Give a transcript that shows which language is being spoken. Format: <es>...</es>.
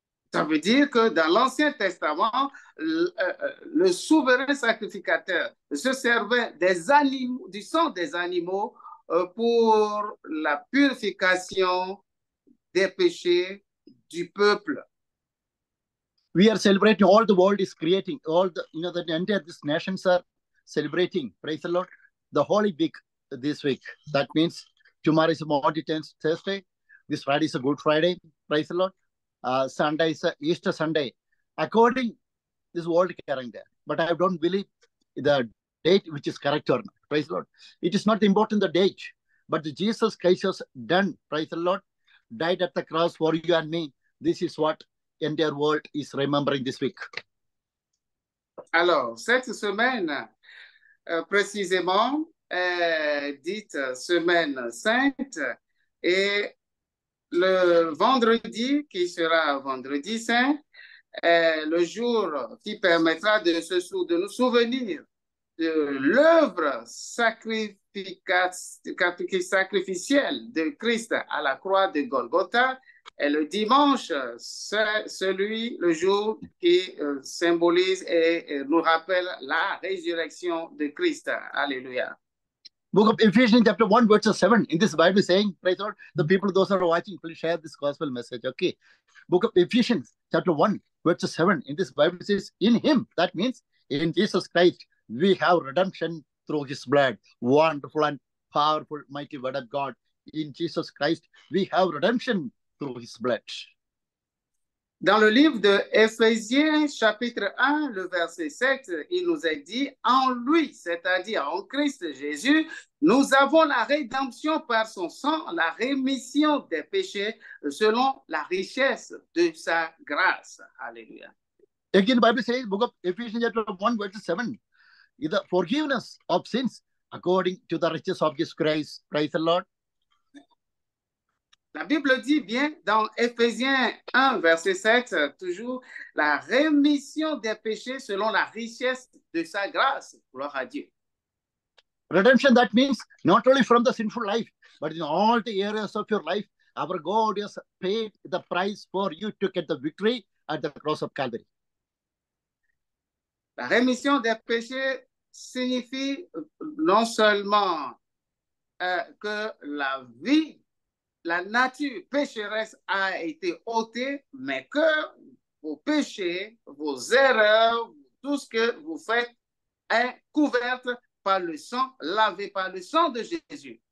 <fr>Ça veut dire que dans l'Ancien Testament, le souverain sacrificateur se servait des animaux, du sang des animaux pour la purification des péchés du peuple.</fr> <en>We are celebrating, all the world is creating, all the, you know, the entire these nations are celebrating, praise the Lord, the Holy Week this week. That means tomorrow is Maundy Tenth Thursday. This Friday is a Good Friday. Praise the Lord. Sunday is Easter Sunday. According to this world calendar. But I don't believe the date which is correct or not. Praise the Lord. It is not important the date, but Jesus Christ has done, praise the Lord, died at the cross for you and me. This is what entire world is remembering this week.</en> <fr>Alors, cette semaine, précisément, dite semaine sainte, et le vendredi, qui sera vendredi saint, le jour qui permettra de nous souvenir de l'œuvre sacrificielle de Christ à la croix de Golgotha, et le dimanche, c'est celui, le jour qui symbolise et nous rappelle la résurrection de Christ. Alléluia.</fr> <en>Book of Ephesians chapter 1 verse 7. In this Bible saying, praise the Lord, the people, those who are watching, please share this gospel message. Okay. Book of Ephesians chapter 1 verse 7. In this Bible says, in him, that means in Jesus Christ, we have redemption through his blood. Wonderful and powerful, mighty word of God. In Jesus Christ, we have redemption through his blood.</en> <fr>Dans le livre de Ephésiens, chapitre 1, le verset 7, il nous est dit « En lui, c'est-à-dire en Christ Jésus, nous avons la rédemption par son sang, la rémission des péchés, selon la richesse de sa grâce. » Alléluia.</fr> <en>Again, the Bible says, book of Ephésiens, chapter 1, verse 7, is the forgiveness of sins according to the riches of his grace. Praise the Lord.</en> <fr>La Bible dit bien dans Ephésiens 1, verset 7, toujours, la rémission des péchés selon la richesse de sa grâce. Gloire à Dieu.</fr> <en>Redemption, that means not only from the sinful life, but in all the areas of your life, our God has paid the price for you to get the victory at the cross of Calvary.</en> <fr>La rémission des péchés signifie non seulement que la vie, la nature pécheresse a été ôtée, mais que vos péchés, vos erreurs, tout ce que vous faites est couvert par le sang, lavé par le sang de Jésus.</fr>